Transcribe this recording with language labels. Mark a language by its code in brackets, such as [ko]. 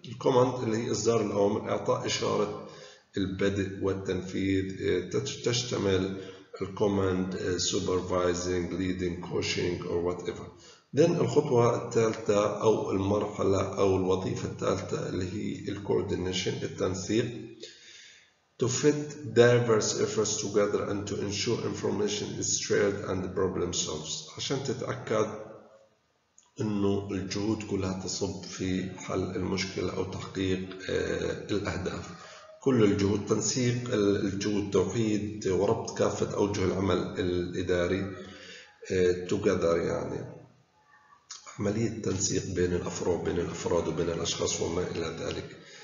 [ar] الكوماند اللي هي إصدار الأوامر، إعطاء إشارة البدء والتنفيذ، تشتمل الكوماند [en] supervising, leading, coaching or whatever. Then [ar] الخطوة الثالثة أو المرحلة أو الوظيفة الثالثة اللي هي الكوردينيشن، التنسيق. [en] To fit diverse efforts together and to ensure information is shared and the problem solves. [ar] عشان تتأكد إنه الجهود كلها تصب في حل المشكلة أو تحقيق الأهداف. كل الجهود، تنسيق الجهود، توحيد وربط كافة أوجه العمل الإداري together، يعني عملية تنسيق بين الأفراد، بين الأفراد وبين الأشخاص وما إلى ذلك.